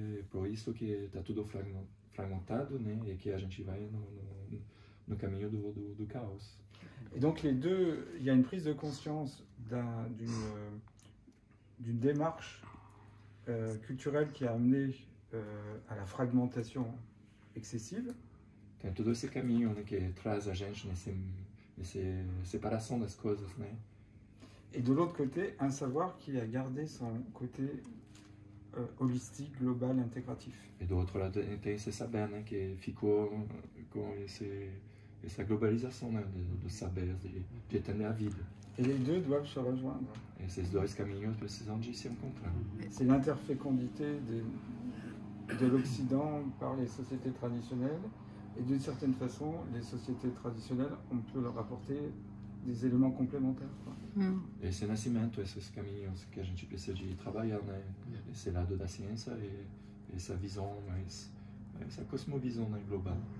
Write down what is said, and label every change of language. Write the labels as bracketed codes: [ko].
[pt] Por isso que está tudo fragmentado, né, e que a gente vai no caminho do caos. [fr] Et donc les deux, il y a une prise de conscience d'une démarche culturelle qui a amené à la fragmentation excessive. [pt] Tem todo esse caminho, né, que traz a gente nessa separação das coisas, né? [fr] Et de l'autre côté, un savoir qui a gardé son côté holistique, global, intégratif. [pt] E do outro lado, tem esse saber, né, que ficou com essa globalização, né, do saber, de entender a vida. [fr] Et les deux doivent se rejoindre. [pt] Esses dois caminhos precisam de se encontrar. [fr] C'est l'interfécondité de l'Occident par les sociétés traditionnelles. Et d'une certaine façon, les sociétés traditionnelles, on peut leur apporter des éléments complémentaires. [pt] Esse nascimento, esses caminhos que a gente precisa de trabalhar, né, esse lado da ciência e essa visão, mas essa cosmovisão, né, global.